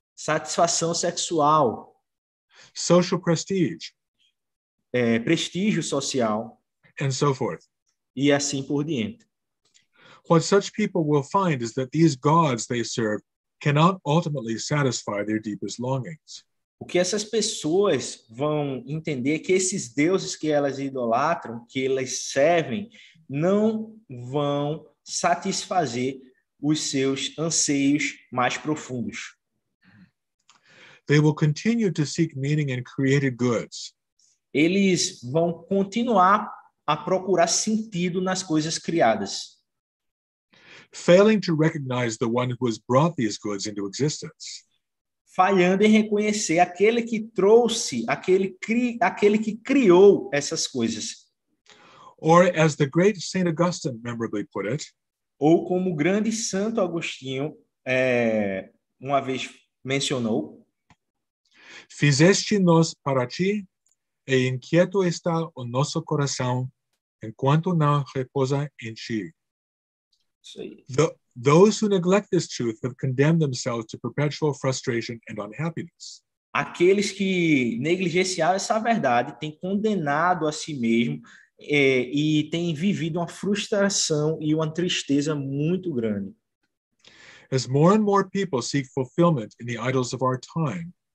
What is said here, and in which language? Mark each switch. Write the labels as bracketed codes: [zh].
[pt] Satisfação sexual. [en] Social prestige. [pt] Prestígio social. [en] And so forth. [pt] E assim por diante. [en] What such people will find is that these gods they serve cannot ultimately satisfy their deepest longings. [pt] O que essas pessoas vão entender é que esses deuses que elas idolatram, que elas servem, não vão satisfazer os seus anseios mais profundos. [en] They will continue to seek meaning in created goods. [pt] Eles vão continuar a procurar sentido nas coisas criadas. [en] Failing to recognize the one who has brought these goods into existence. [pt] Falhando em reconhecer aquele que trouxe, aquele que criou essas coisas. [en] Or as the great Saint Augustine memorably put it. [pt] Ou como o grande Santo Agostinho uma vez mencionou. Fizeste-nos para ti, e inquieto está o nosso coração, enquanto não repousa em ti. [en] Those who neglect this truth have condemned themselves to perpetual frustration and unhappiness. [pt] Aqueles que negligenciaram essa verdade têm condenado a si mesmo e têm vivido uma frustração e uma tristeza muito grande. [en] As more and more people seek fulfillment in the idols of our time,